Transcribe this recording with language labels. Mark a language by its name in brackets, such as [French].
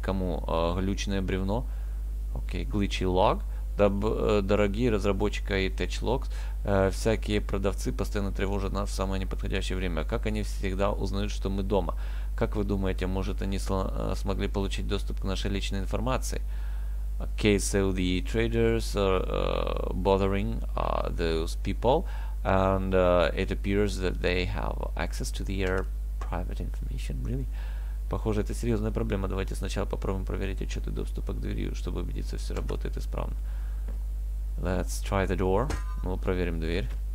[Russian] Кому? Глючное бревно. Окей, [English] glitchy log. [Russian] Дорогие разработчики и TouchLogs, всякие продавцы постоянно тревожат нас в самое неподходящее время. Как они всегда узнают, что мы дома? Как вы думаете, может они смогли получить доступ к нашей личной информации? [English] KSLD traders are bothering those people, and it appears that they have access to their private information. Really? [Russian] Похоже, это серьезная проблема. Давайте сначала попробуем проверить отчеты доступа к двери, чтобы убедиться, все работает исправно. [English] Let's try the door. [Russian] Мы проверим дверь.